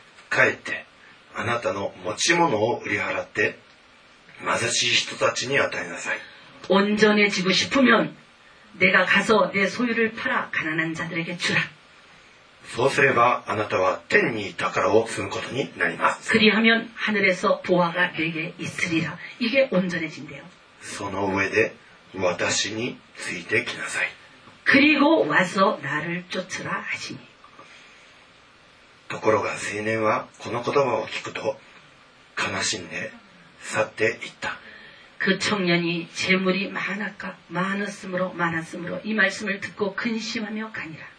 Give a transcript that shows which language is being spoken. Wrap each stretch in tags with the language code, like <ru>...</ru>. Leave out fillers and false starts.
<ja>帰って、あなたの持ち物を売り払って、貧しい人たちに与えなさい。</ja> <ko>온전해지고싶으면、내가가서내소유를팔아가난한자들에게주라。</ko> <ja>そうすればあなたは天に宝を積むことになります。</ja> <ko>그리하면하늘에서보화가내게있으리라。 이게온전해진대요。</ko> <ja>その上で、私についてきなさい。</ja> <ko>그리고와서나를쫓으라하시니。</ko> <ja>ところが青年はこの言葉を聞くと悲しんで去っていった。</ja> <ko>그청년이재물이많았으므로이말씀을듣고근심하며가니라。</ko>